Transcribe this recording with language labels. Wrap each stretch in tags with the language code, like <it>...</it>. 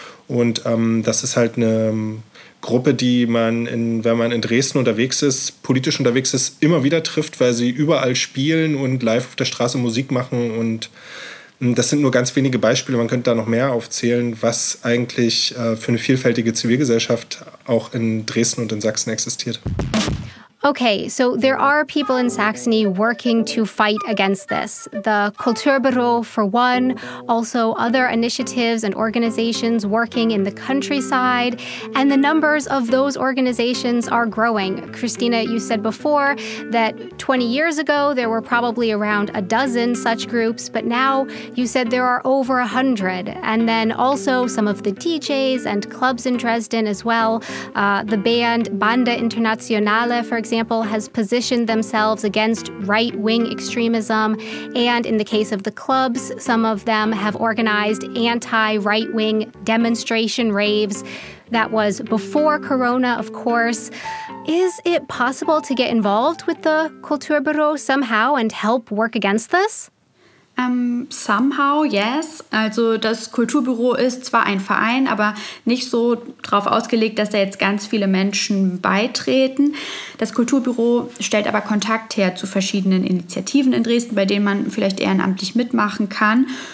<de>Und das ist halt eine Gruppe, die man, wenn man in Dresden unterwegs ist, politisch unterwegs ist, immer wieder trifft, weil sie überall spielen und live auf der Straße Musik machen. Und das sind nur ganz wenige Beispiele. Man könnte da noch mehr aufzählen, was eigentlich für eine vielfältige Zivilgesellschaft auch in Dresden und in Sachsen existiert.</de> <en>Okay, so there are people in Saxony working to fight against this. The Kulturbüro for one, also other initiatives and organizations working in the countryside, and the numbers of those organizations are growing. Christina, you said before that 20 years ago there were probably around a dozen such groups, but now you said there are over 100. And then also some of the DJs and clubs in Dresden as well, the band Banda Internationale, for example, has positioned themselves against right-wing extremism. And in the case of the clubs, some of them have organized anti-right-wing demonstration raves. That was before Corona, of course. Is it possible to get involved with the Kulturbüro somehow and help work against this? Somehow, yes.</en> <de>Also das Kulturbüro ist zwar ein Verein, aber nicht so darauf ausgelegt, dass da jetzt ganz viele Menschen beitreten. Das Kulturbüro stellt aber Kontakt her zu verschiedenen Initiativen in Dresden, bei denen man vielleicht ehrenamtlich mitmachen kann.</de>